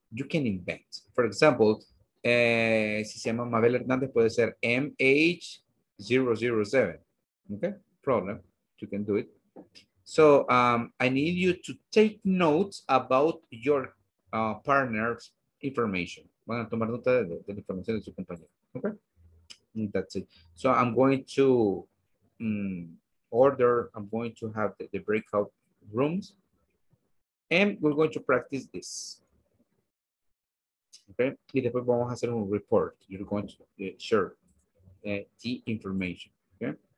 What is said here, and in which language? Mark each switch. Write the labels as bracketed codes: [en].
[en] You can invent. For example, [es] si se llama Mabel Hernández, puede ser MH007. [en] Okay, problem. You can do it. So I need you to take notes about your partner's information. [es] Van a tomar nota de la información de su compañero. [en] Okay. That's it. So I'm going to order, I'm going to have the breakout rooms. And we're going to practice this. Okay. [es] Y después vamos a hacer un report. [en] You're going to share the information. [es] Okay.